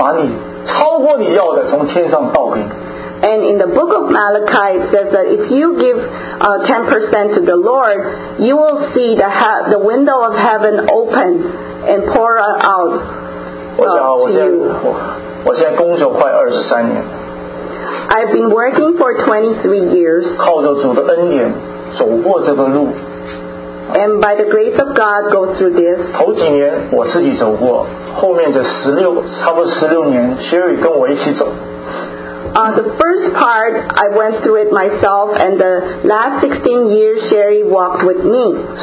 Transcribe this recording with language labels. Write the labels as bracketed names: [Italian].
[Chinese] 马拉基书里面说，如果你愿意最少把十分之一给主的话，看主会不会开了天窗，把你超过你要的从天上倒给你。 [English] And in the book of Malachi, it says that if you give 10% to the Lord, you will see the window of heaven open and pour out I've been working for 23 years. [Chinese] 靠着主的恩典走过这个路。 [English] And by the grace of God, go through this. [Chinese] 头几年我自己走过，后面这16，差不多16年， Sherry 跟我一起走。 [English] The first part, I went through it myself, and the last 16 years, Sherry walked with me.